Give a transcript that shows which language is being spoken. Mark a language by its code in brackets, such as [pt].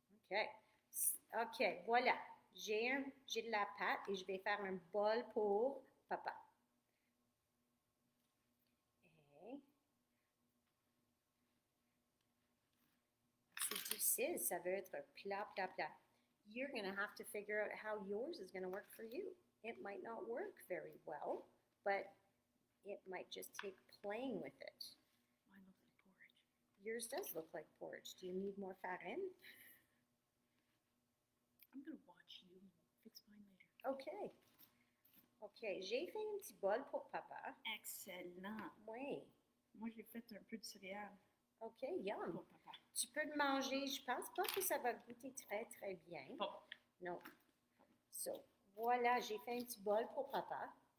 [fr] OK, voilà. J'ai de la pâte et je vais faire un bol pour papa. C'est difficile, ça veut être plat, plat, plat. [en] You're going to have to figure out how yours is going to work for you. It might not work very well, but it might just take playing with it. Mine looks like porridge. Yours does look like porridge. Do you need more farine? I'm going to watch you fix mine later. [fr] Okay, j'ai fait un petit bol pour papa. [en] Excellent. [fr] Oui. Moi, j'ai fait un peu de céréales. [en] Okay, yum. [fr] Pour papa. Tu peux le manger. Je pense pas que ça va goûter très, très bien. Pas. Non. So, voilà, j'ai fait un petit bol pour papa.